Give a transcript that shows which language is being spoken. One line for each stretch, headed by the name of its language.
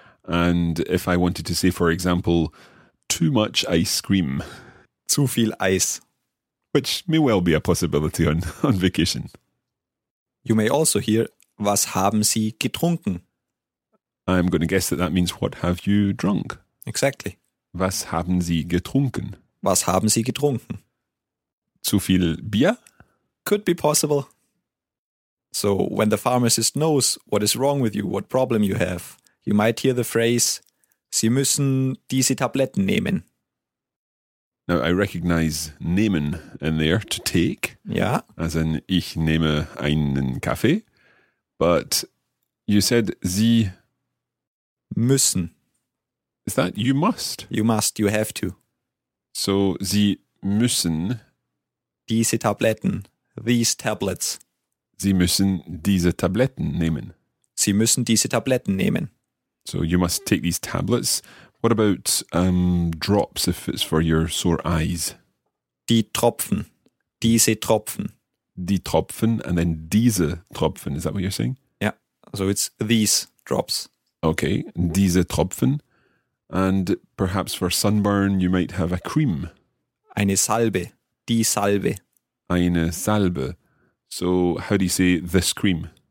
English: And if I wanted to say, for example, too much ice cream.
German: Zu viel Eis.
English: Which may well be a possibility on vacation. You may also hear,
German: was haben Sie getrunken?
English: I'm going to guess that that means, what have you drunk? Exactly.
German: Was haben Sie getrunken? Was haben Sie getrunken? Zu viel Bier?
English: Could be possible. So when the pharmacist knows what is wrong with you, what problem you have, you might hear the phrase,
German: Sie müssen diese Tabletten nehmen.
English: Now, I recognize nehmen in there, to take. Yeah. As in,
German: ich nehme einen Kaffee.
English: But you said, Sie
German: müssen.
English: Is that you must? You must, you have to.
German: So, Sie müssen diese Tabletten,
English: these tablets.
German: Sie müssen diese Tabletten nehmen. Sie müssen diese Tabletten nehmen.
English: So, you must take these tablets. What about drops, if it's for your sore eyes?
German: Die Tropfen. Diese Tropfen. Die Tropfen
English: and then
German: diese Tropfen.
English: Is that what you're saying? Yeah. So it's these drops.
German: Okay. Diese Tropfen.
English: And perhaps for sunburn, you might have a cream.
German: Eine Salbe. Die Salbe. Eine Salbe.
English: So how do you say this cream?